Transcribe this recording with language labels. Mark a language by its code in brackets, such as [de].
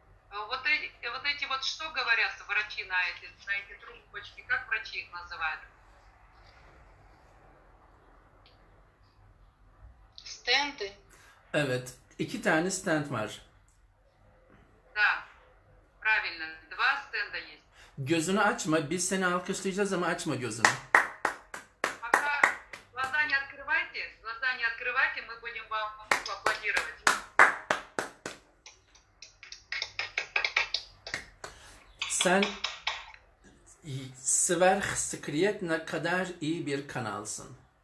[ru] Вот эти что говорят врачи на эти трубочки? Как врачи их называют? Stenti. [tr] Evet, iki tane stent var. [ru] Da, правильно, два стента есть. [tr] Gözünü açma, biz seni alkışlayacağız ama açma gözünü. [ru] Пока глаза не открывайте, мы будем вам аплодировать. [tr] Sen Sverhskriyet ne kadar iyi bir kanalsın.